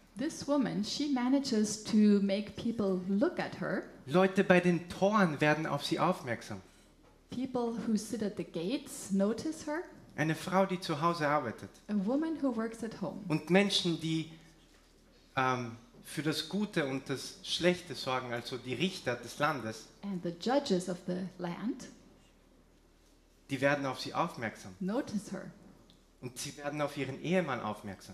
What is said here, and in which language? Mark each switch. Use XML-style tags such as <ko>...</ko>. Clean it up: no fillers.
<en>This woman, she manages to make people look at her.</en> <de>Leute bei den Toren werden auf sie aufmerksam.</de> <en>People who sit at the gates notice her.</en> <de>Eine Frau, die zu Hause arbeitet.</de> <en>A woman who works at home.</en> <de>Und Menschen, die für das Gute und das Schlechte sorgen, also die Richter des Landes.</de> <en>And the judges of the land.</en> <de>Die werden auf sie aufmerksam.</de> <en>Notice her.</en> <de>Und sie werden auf ihren Ehemann aufmerksam.</de>